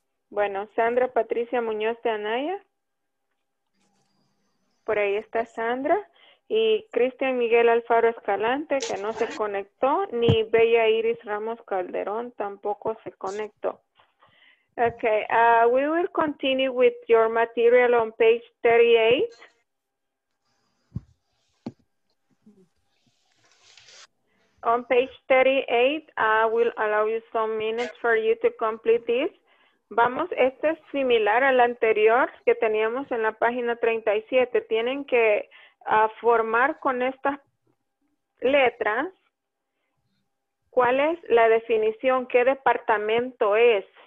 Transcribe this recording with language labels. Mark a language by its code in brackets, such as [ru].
[es] Bueno, Sandra Patricia Muñoz de Anaya. Por ahí está Sandra. Y Cristian Miguel Alfaro Escalante, que no se conectó. Ni Bella Iris Ramos Calderón tampoco se conectó. [en] Okay, we will continue with your material on page 38. On page 38, I will allow you some minutes for you to complete this. [es] Vamos, este es similar al anterior que teníamos en la página 37. Tienen que formar con estas letras cuál es la definición, qué departamento es.